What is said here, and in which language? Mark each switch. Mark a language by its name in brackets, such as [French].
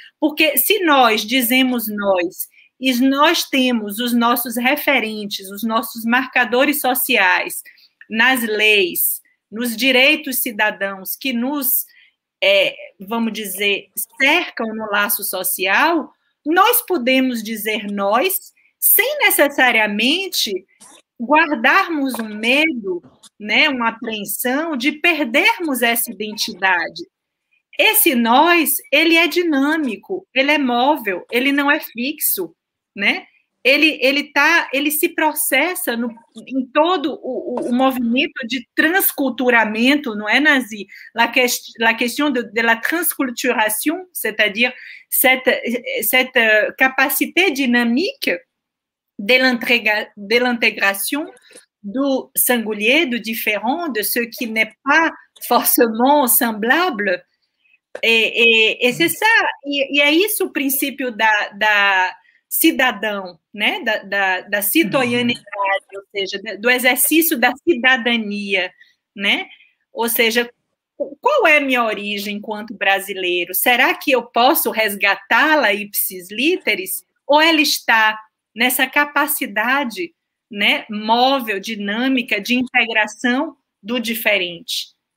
[Portuguese] Porque se nós dizemos nós e nós temos os nossos referentes, os nossos marcadores sociais nas leis, nos direitos cidadãos que nos, vamos dizer, cercam no laço social, nós podemos dizer nós sem necessariamente guardarmos um medo, né, uma apreensão de perdermos essa identidade. Esse nós, ele é dinâmico, ele é móvel, ele não é fixo, né? Ele se processa no, em todo o movimento de transculturamento, não é, Nazi? [French] La question de la transculturation, c'est-à-dire cette capacité dynamique de l'intégration du singulier, du différent, de ce qui n'est pas forcément semblable. Et c'est ça, et c'est ça le principe [Portuguese] da cidadão, né? da [French] citoyenneté, [Portuguese] ou seja, do exercício da cidadania, né? Ou seja, qual é a minha origem enquanto brasileiro? Será que eu posso resgatá-la ipsis literis? Ou ela está nessa capacidade, né, móvel, dinâmica, de integração do diferente?